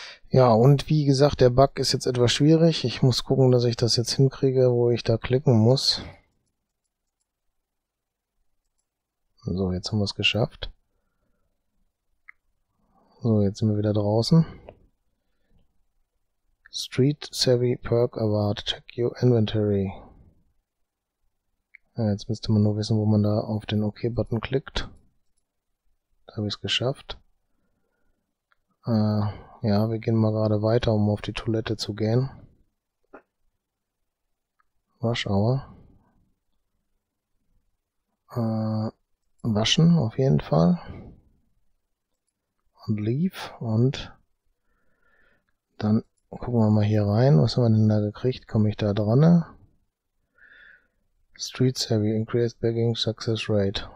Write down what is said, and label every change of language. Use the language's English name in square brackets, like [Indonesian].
[German] Ja, und wie gesagt, der Bug ist jetzt etwas schwierig. Ich muss gucken, dass ich das jetzt hinkriege, wo ich da klicken muss. So, jetzt haben wir es geschafft. So, jetzt sind wir wieder draußen. [English] Street Savvy Perk Award. Check your inventory. [German] Ja, jetzt müsste man nur wissen, wo man da auf den OK-Button klickt. Da habe ich es geschafft. Ja, wir gehen mal gerade weiter, um auf die Toilette zu gehen. [English] Rush Hour. [German] Waschen auf jeden Fall. Und leave. Und dann gucken wir mal hier rein. Was haben wir denn da gekriegt? Komme ich da dran? [English] Street Savvy, increased begging success rate.